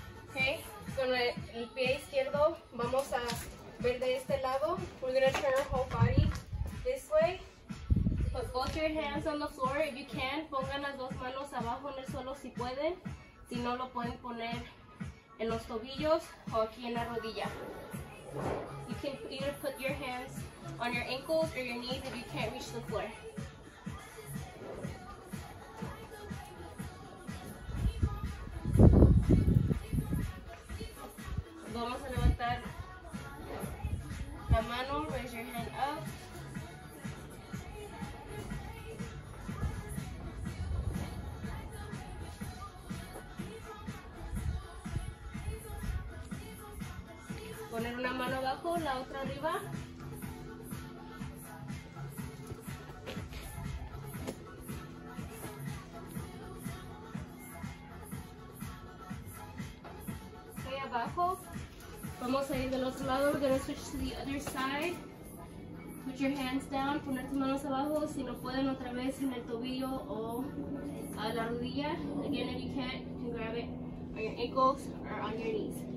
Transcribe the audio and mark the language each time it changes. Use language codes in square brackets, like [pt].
[es] Okay, con el pie izquierdo vamos a ver de este lado. [en] We're gonna turn our whole body this way. Put both your hands on the floor if you can. [es] Pongan las dos manos abajo en el suelo si pueden. Si no, lo pueden poner en los tobillos o aquí en la rodilla. [en] You can either put your hands on your ankles or your knees if you can't reach the floor. [es] Vamos a levantar la mano, [en] raise your hand up. [es] Poner una mano abajo, la otra arriba. Okay, abajo. Vamos a ir del otro lado. [en] We're gonna switch to the other side. Put your hands down. [es] Poner tus manos abajo. Si no pueden, otra vez en el tobillo o a la rodilla. [en] Again, if you can't, you can grab it on your ankles or on your knees.